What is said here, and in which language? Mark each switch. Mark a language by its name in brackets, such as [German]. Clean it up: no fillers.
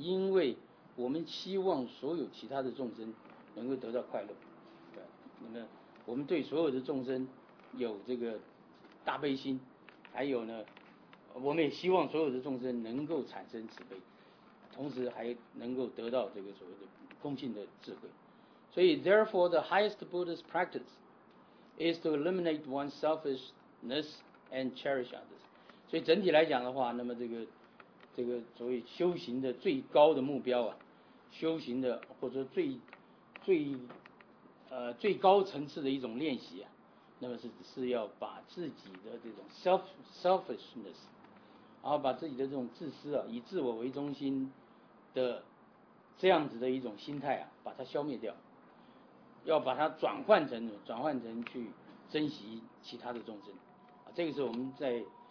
[Chinese] 因为我们希望所有其他的众生能够得到快乐，对，那么我们对所有的众生有这个大悲心，还有呢，我们也希望所有的众生能够产生慈悲，同时还能够得到这个所谓的空性的智慧。 [English] 所以 ，therefore the highest Buddhist practice is to eliminate one's selfishness and cherish others. [Chinese] 所以整体来讲的话，那么这个所谓修行的最高的目标啊，修行的或者最高层次的一种练习啊，那么是要把自己的这种 selfishness， 然后把自己的这种自私啊，以自我为中心的这样子的一种心态啊，把它消灭掉，要把它转换成去珍惜其他的众生啊，这个是我们在。